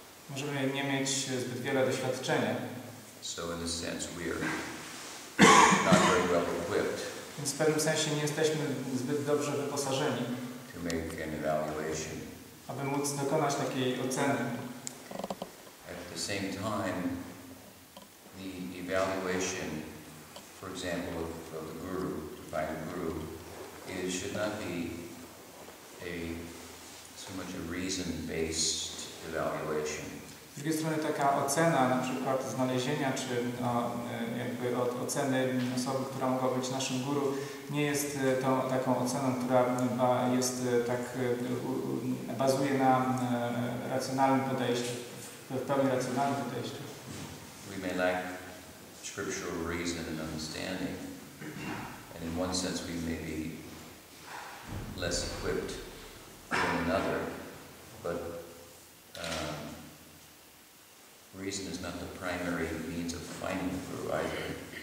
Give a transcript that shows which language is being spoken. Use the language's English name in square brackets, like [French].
[Polish] Możemy nie mieć zbyt wiele doświadczenia. [English] So in a sense we are not very well equipped. [Polish] Więc w pewnym sensie nie jesteśmy zbyt dobrze wyposażeni, [English] to make an evaluation. [Polish] Aby móc dokonać takiej oceny. [English] At the same time, the evaluation, for example, of the guru, to find a guru, it should not be a so much a reason-based evaluation. [Polish] Z drugiej strony taka ocena, na przykład znalezienia, czy no, jakby od oceny osoby, która mogła być naszym guru, nie jest tą taką oceną, która jest tak bazuje na racjonalnym podejściu, w pełni racjonalnym podejściu. [English] We may lack scriptural reason and understanding, and in one sense we may be less equipped than another, but reason is not the primary means of finding the guru either.